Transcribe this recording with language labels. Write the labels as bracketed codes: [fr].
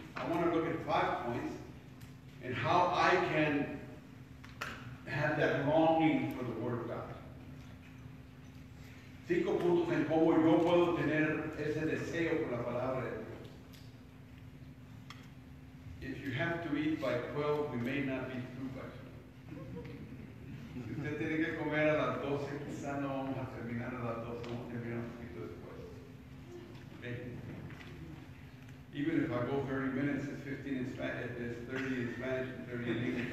[en] I want to look at 5 points and how I can have that longing for the Word of God. [es] 5 puntos en cómo yo puedo tener ese deseo por la palabra de Dios. [en] If you have to eat by 12, we may not be through by 12. [es] Usted tiene que comer a las 12, quizá no vamos a terminar a las 12, vamos a terminar un poquito después. [en] Okay. Even if I go 30 minutes, it's 15 in Spanish, it's 30 in Spanish and 30 in English.